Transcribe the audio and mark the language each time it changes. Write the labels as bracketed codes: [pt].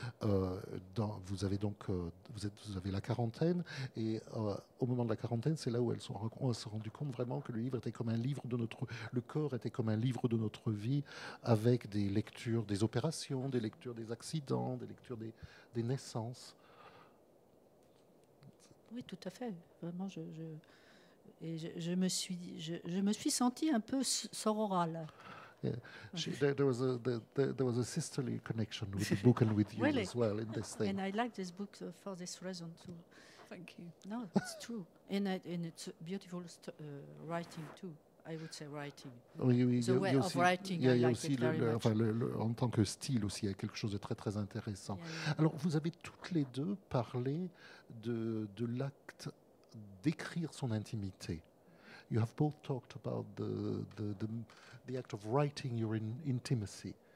[fr] Vous avez la quarantaine et au moment de la quarantaine, c'est là où on s'est rendu compte vraiment que le corps était comme un livre de notre vie avec des lectures, des opérations, des lectures des accidents, des lectures des naissances. Oui, tout à fait. Vraiment, je me suis sentie un peu sororale. [en] Yeah. There was a sisterly connection with the book and with you really? As well in this thing. And I like this book for this reason too. Thank you. No, it's true, and it's beautiful writing too. I would say writing. Oui, the way of writing. [fr] Yeah, il y a aussi, en tant que style aussi, il y a quelque chose de très très intéressant. Yeah. Alors, vous avez toutes les deux parlé de l'acte d'écrire son intimité. [en] You have both talked about the act of writing your intimacy.